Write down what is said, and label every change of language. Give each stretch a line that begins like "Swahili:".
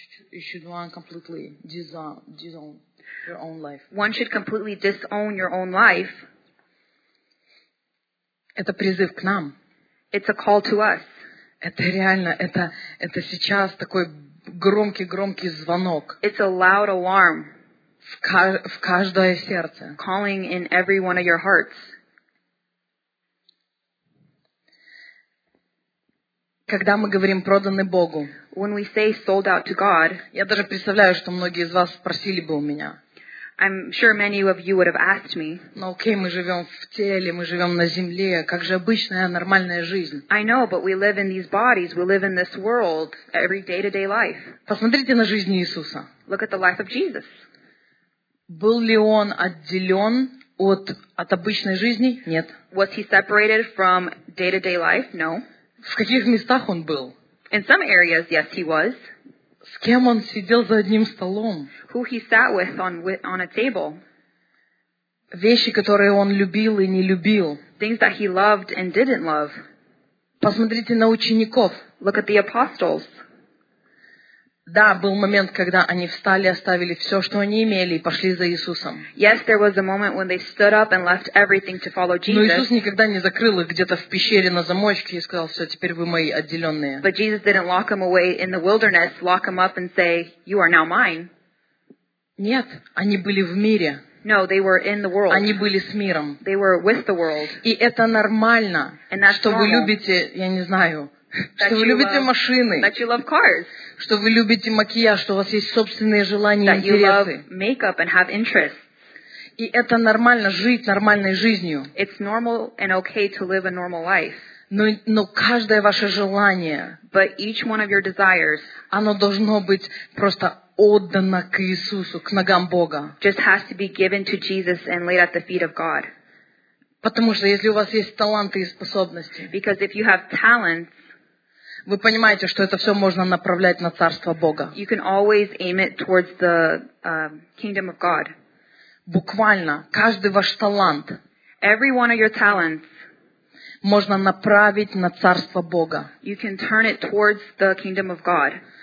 English: you should one completely disown your own life. One should completely disown your own life.
Russian: Это призыв к нам.
English: It's a call to us.
Russian: Это реально, это сейчас такой громкий-громкий звонок.
English: It's a loud alarm.
Russian: В каждое сердце.
English: Calling in every one of your hearts.
Russian: Когда мы говорим «проданы Богу»,
English: when we say sold out to God,
Russian: я даже представляю, что многие из вас спросили бы у меня.
English: I'm sure many of you would have asked me.
Russian: Ну окей, мы живем в теле, мы живем на земле. Как же обычная, нормальная жизнь?
English: I know, but we live in these bodies. We live in this world, every day-to-day life.
Russian: Посмотрите на жизнь Иисуса.
English: Look at the life of Jesus.
Russian: Был ли он отделен от обычной жизни? Нет.
English: Was he separated from day-to-day life? No.
Russian: В каких местах он был?
English: In some areas, yes, he was.
Russian: С кем он сидел за одним столом?
English: Who he sat with on a table?
Russian: Вещи, которые он любил и не любил.
English: Things that he loved and didn't love.
Russian: Посмотрите на учеников.
English: Look at the apostles.
Russian: Да, был момент, когда они встали, оставили все, что они имели, и пошли за Иисусом.
English: Yes, there was a moment when they stood up and left everything to follow Jesus.
Russian: Но Иисус никогда не закрыл их где-то в пещере на замочке и сказал: «Все, теперь вы мои отделенные».
English: But Jesus didn't lock them away in the wilderness, lock them up and say, "You are now mine."
Russian: Нет, они были в мире.
English: No, they were in the world.
Russian: Они были с миром.
English: They were with the world.
Russian: И это нормально,
English: and that's
Russian: что
English: normal.
Russian: Вы любите, я не знаю. Что вы любите машины.
English: That you love cars.
Russian: Что вы любите макияж, что у вас есть собственные желания и интересы.
English: That you love makeup and have interests.
Russian: И это нормально жить нормальной жизнью.
English: It's normal and okay to live a normal life.
Russian: Но каждое ваше желание,
English: but each one of your desires,
Russian: оно должно быть просто отдано к Иисусу, к ногам Бога.
English: Just has to be given to Jesus and laid at the feet of God.
Russian: Потому что если у вас есть таланты и способности,
English: because if you have talents,
Russian: вы понимаете, что это все можно направлять на Царство Бога.
English: You can always aim it towards the kingdom of God.
Russian: Буквально, каждый ваш талант,
English: every one of your talents,
Russian: можно направить на Царство Бога.
English: You can turn it towards the kingdom of God.